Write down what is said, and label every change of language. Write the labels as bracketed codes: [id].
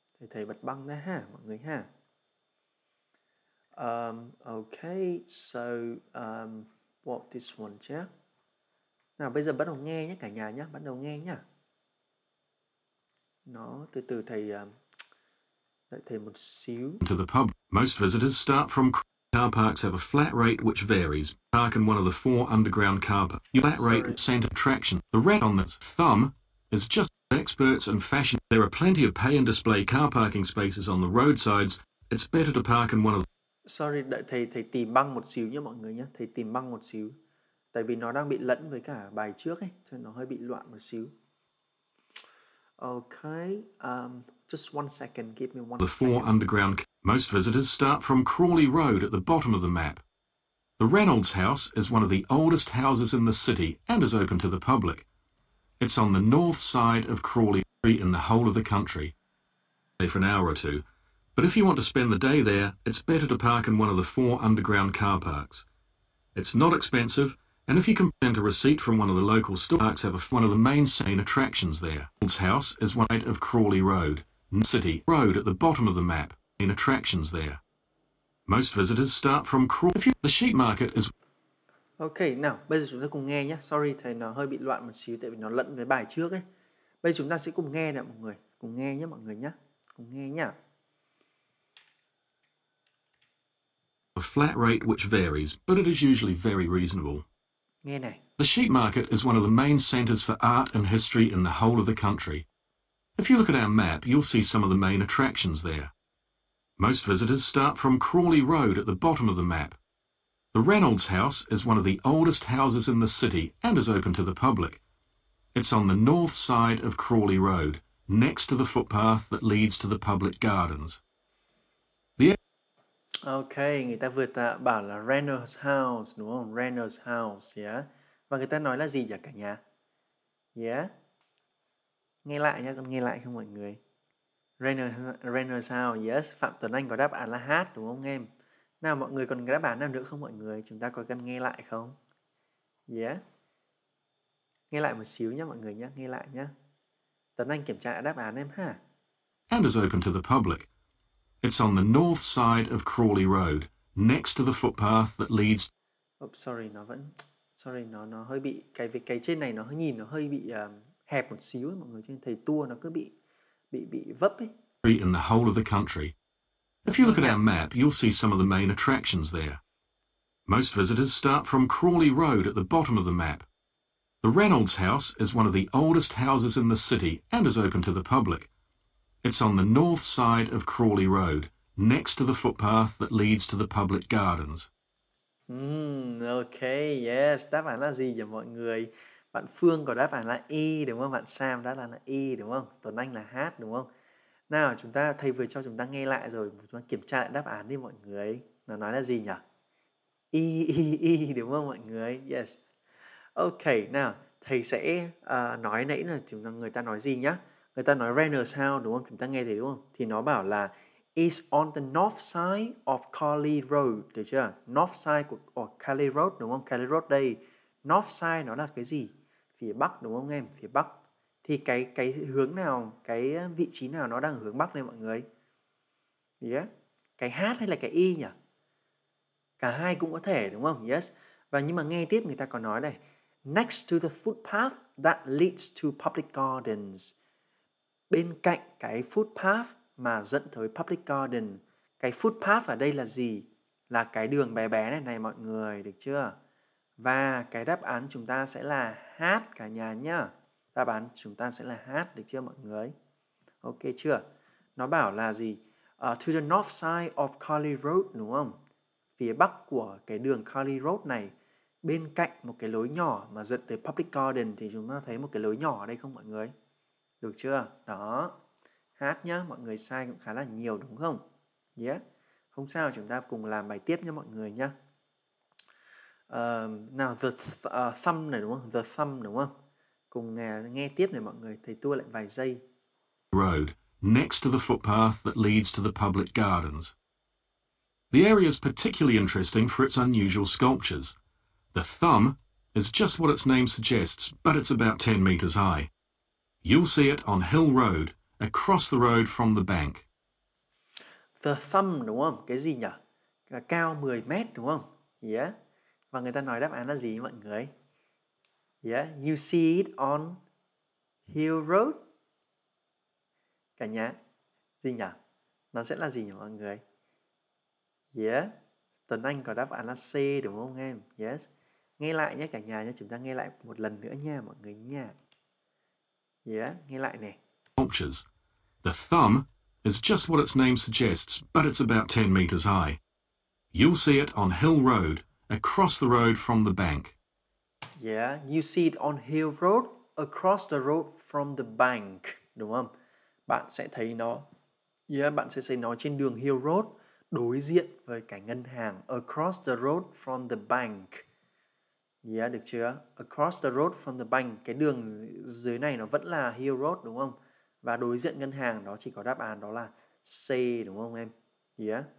[vi] Thầy bật băng ra ha mọi người ha. [en] Okay, so what this one [vi] chứ? Nào bây giờ bắt đầu nghe nhé cả nhà nhé, bắt đầu nghe nhá. Nó từ từ thầy đợi thầy một xíu. [en] To the pub, most visitors start from car parks have a flat rate which varies. Park in one of the four underground car parks. Your flat rate is center attraction. The rat on this thumb is just experts in fashion. There are plenty of pay and display car parking spaces on the roadsides. It's better to park in one of. [vi] Sorry, đợi thầy tìm băng một xíu nhé mọi người nhé. Thầy tìm băng một xíu. Tại vì nó đang bị lẫn với cả bài trước ấy, cho nên nó hơi bị loạn một xíu. [en] Okay, just one second. Give me one second. The four underground. Most visitors start from Crawley Road at the bottom of the map. The Reynolds House is one of the oldest houses in the city and is open to the public. It's on the north side of Crawley Street in the whole of the country. Stay for an hour or two. But if you want to spend the day there, it's better to park in one of the four underground car parks. It's not expensive, and if you can print a receipt from one of the local store parks, have one of the main scene attractions there. Reynolds House is right of Crawley Road, City Road at the bottom of the map. Main attractions there. Most visitors start from Crawley. If you, the sheep market is. [vi] Okay, now, bây giờ chúng ta cùng nghe nhé. Sorry, thầy nó hơi bị loạn một xíu tại vì nó lẫn với bài trước ấy. Bây giờ chúng ta sẽ cùng nghe nè mọi người. Cùng nghe nhé mọi người nhé. Cùng nghe nhé. [en] A flat rate which varies, but it is usually very reasonable. [vi] Nghe này. [en] The sheep market is one of the main centers for art and history in the whole of the country. If you look at our map, you'll see some of the main attractions there. Most visitors start from Crawley Road at the bottom of the map. The Reynolds House is one of the oldest houses in the city and is open to the public. It's on the north side of Crawley Road, next to the footpath that leads to the public gardens. [vi] Okay, người ta vừa ta bảo là Reynolds House, đúng không? Reynolds House, yeah. Và người ta nói là gì vậy cả nhà? Yeah. Nghe lại nhá, con nghe lại không mọi người? Reynolds House, yes. Phạm Tuấn Anh có đáp án là H, đúng không em? Nào mọi người còn đáp án nào nữa không mọi người? Chúng ta có cần nghe lại không? Yeah. Nghe lại một xíu nhá mọi người nhá, nghe lại nhá. Tuấn Anh kiểm tra đáp án em ha. [en] And is open to the public. It's on the north side of Crawley Road, next to the footpath that leads. [vi] Oops, sorry, nó vẫn. Sorry, nó hơi bị cái trên này nó hơi nhìn nó hơi bị hẹp một xíu ấy, mọi người, trên thầy tua nó cứ bị vấp ấy. [en] In the whole of the country. If you look at our map, you'll see some of the main attractions there. Most visitors start from Crawley Road at the bottom of the map. The Reynolds House is one of the oldest houses in the city and is open to the public. It's on the north side of Crawley Road, next to the footpath that leads to the public gardens. Okay, yes. [vi] Đáp án là gì vậy mọi người? Bạn Phương có đáp án là E, đúng không? Bạn Sam đáp án là E, đúng không? Tuấn Anh là H, đúng không? Nào, chúng ta thầy vừa cho chúng ta nghe lại rồi. Chúng ta kiểm tra lại đáp án đi mọi người. Nó nói là gì nhỉ? E, đúng không mọi người? Yes. Okay, nào. Thầy sẽ nói nãy là chúng ta người ta nói gì nhá? Người ta nói Reynolds House, đúng không? Chúng ta nghe thấy đúng không? Thì nó bảo là [en] it's on the north side of Crawley Road, [vi] được chưa? North side của Crawley Road, đúng không? Crawley Road đây. North side nó là cái gì? Phía bắc, đúng không em? Phía bắc. Thì cái hướng nào, cái vị trí nào nó đang ở hướng bắc đây mọi người? Yeah. Cái H hay là cái Y nhỉ? Cả hai cũng có thể, đúng không? Yes. Và nhưng mà nghe tiếp người ta còn nói đây. [en] Next to the footpath that leads to public gardens. [vi] Bên cạnh cái footpath mà dẫn tới public garden. Cái footpath ở đây là gì? Là cái đường bé bé này này mọi người, được chưa? Và cái đáp án chúng ta sẽ là H cả nhà nhá. Đáp án chúng ta sẽ là H, được chưa mọi người? Ok chưa? Nó bảo là gì? [en] To the north side of Crawley Road, [vi] đúng không? Phía bắc của cái đường Crawley Road này. Bên cạnh một cái lối nhỏ mà dẫn tới public garden. Thì chúng ta thấy một cái lối nhỏ ở đây không mọi người? Được chưa? Đó. hát nhá. Mọi người sai cũng khá là nhiều đúng không? Yeah. Không sao, chúng ta cùng làm bài tiếp nhá mọi người nhá. Nào, the sum này đúng không? The sum đúng không? Cùng nghe tiếp này mọi người, thầy tua lại vài giây. [en] Road, next to the footpath that leads to the public gardens. The area is particularly interesting for its unusual sculptures. The thumb is just what its name suggests, but it's about 10 meters high. You'll see it on Hill Road, across the road from the bank. [vi] The thumb, đúng không? Cái gì nhỉ? Cao 10 mét, đúng không? Yeah. Và người ta nói đáp án là gì mọi người? [en] Yeah. You see it on Hill Road? [vi] Cả nhà. Gì nhỉ? Nó sẽ là gì nhỉ mọi người? Yeah. Tuấn Anh có đáp án là C, đúng không em? Yes. Nghe lại nhé cả nhà nhé. Chúng ta nghe lại một lần nữa nha mọi người nha. Yeah, nghe lại nè. [en] Sculptures. The thumb is just what its name suggests, but it's about 10 meters high. You'll see it on Hill Road, across the road from the bank. Yeah, you see it on Hill Road, across the road from the bank. [vi] Đúng không? Bạn sẽ thấy nó. Yeah, bạn sẽ thấy nó trên đường Hill Road, đối diện với cái ngân hàng. [en] Across the road from the bank. Yeah, [vi] được chưa? [en] Across the road from the bank. [vi] Cái đường dưới này nó vẫn là Hill Road, đúng không? Và đối diện ngân hàng đó chỉ có đáp án đó là C, đúng không em? Yeah.